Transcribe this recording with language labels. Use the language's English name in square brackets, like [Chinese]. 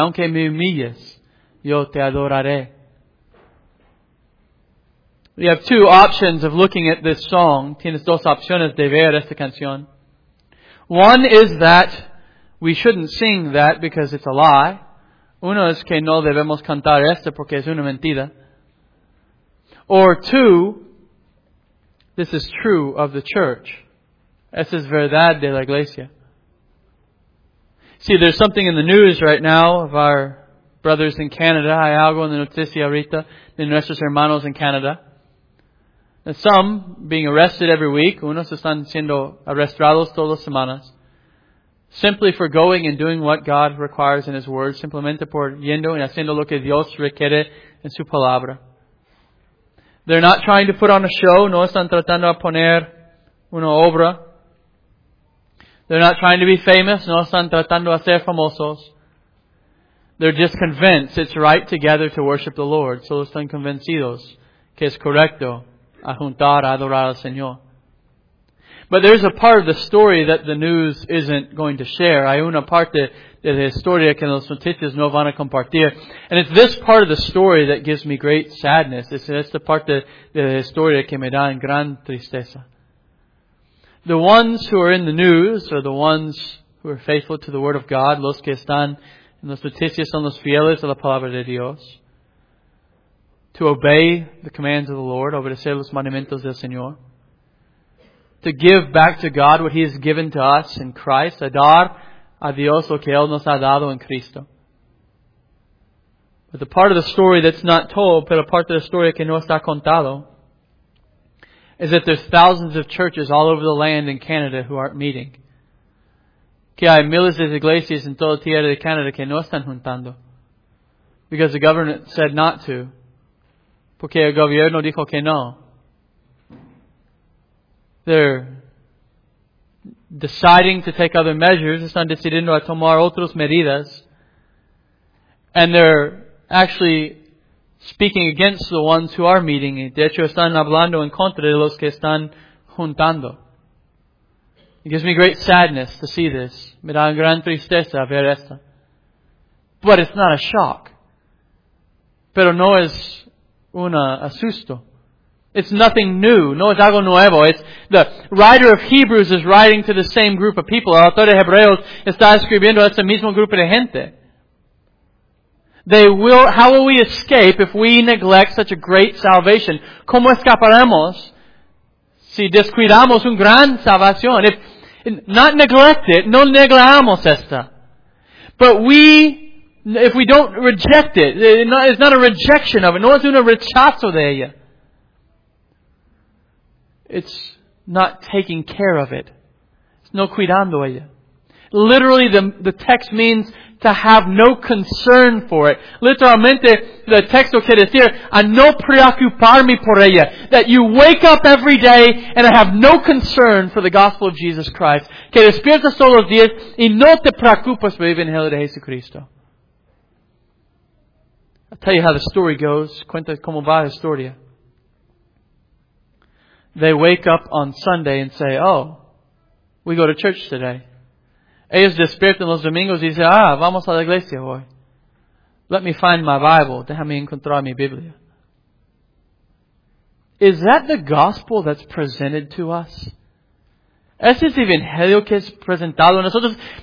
[Spanish] Aunque me humilles, yo te adoraré. [English] We have two options of looking at this song. [Spanish] Tienes dos opciones de ver esta canción. [English] One is that we shouldn't sing that because it's a lie. [Spanish] Uno es que no debemos cantar esta porque es una mentira. [English] Or two, this is true of the church. [Spanish] Esa es verdad de la iglesia. [English] See, there's something in the news right now of our brothers in Canada. [Spanish] Hay algo en la noticia ahorita de nuestros hermanos en Canadá. [English] Some being arrested every week. [Spanish] Unos están siendo arrestados todas las semanas. [English] Simply for going and doing what God requires in His Word. [Spanish] Simplemente por yendo y haciendo lo que Dios requiere en su palabra. [English] They're not trying to put on a show. [Spanish] No están tratando de poner una obra. [English] They're not trying to be famous. [Spanish] No están tratando de ser famosos. [English] They're just convinced it's right together to worship the Lord. [Spanish] Solo están convencidos que es correcto a juntar, a adorar al Señor. [English] But there's a part of the story that the news isn't going to share. [Spanish] Hay una parte de la historia que los noticias no van a compartir. [English] And it's this part of the story that gives me great sadness. [Spanish] Es esta parte de la historia que me da en gran tristeza. [English] The ones who are in the news are the ones who are faithful to the Word of God. [Spanish] Los que están en las noticias son los fieles a la Palabra de Dios. [English] To obey the commands of the Lord, [Spanish] obedecer los mandamientos del Señor. [English] To give back to God what He has given to us in Christ. [Spanish] A dar a Dios lo que Él nos ha dado en Cristo. [English] But the part of the story that's not told, [Spanish] pero parte de la historia que no está contado, [English] is that there's thousands of churches all over the land in Canada who aren't meeting. [Spanish] Que hay miles de iglesias en toda tierra de Canadá que no están juntando. [English] Because the government said not to. [Spanish] Porque el gobierno dijo que no. [English] They're deciding to take other measures. [Spanish] Están decidiendo a tomar otras medidas. [English] And they're actually speaking against the ones who are meeting. [Spanish] De hecho, están hablando en contra de los que están juntando. [English] It gives me great sadness to see this. [Spanish] Me da gran tristeza ver esto. [English] But it's not a shock. [Spanish] Pero no es un asusto. [English] It's nothing new. [Spanish] No es algo nuevo. [English] It's the writer of Hebrews is writing to the same group of people. [Spanish] El autor de Hebreos está escribiendo a ese mismo grupo de gente. [English] How will we escape if we neglect such a great salvation? [Spanish] ¿Cómo escaparemos si descuidamos un gran salvación? [English] Not neglect it. [Spanish] No negamos esta. [English] But if we don't reject it, it's not a rejection of it. [Spanish] No es un rechazo de ella. [English] It's not taking care of it. It's [Spanish] no cuidando ella. [English] Literally, the text means to have no concern for it. [Spanish] Literalmente, the texto quiere decir, a no preocuparme por ella. [English] That you wake up every day and I have no concern for the gospel of Jesus Christ. [Spanish] Que despiertas todos los días y no te preocupas por el evangelio de Jesucristo. [English] I'll tell you how the story goes. [Spanish] Cuenta cómo va la historia. [English] They wake up on Sunday and say, oh, we go to church today. [Spanish] Ellos despiertan los domingos y dicen, vamos a la iglesia hoy. [English] Let me find my Bible. [Spanish] Déjame encontrar mi Biblia. [English] Is that the gospel that's presented to us? [Spanish] ¿Ese es el evangelio que es presentado a nosotros?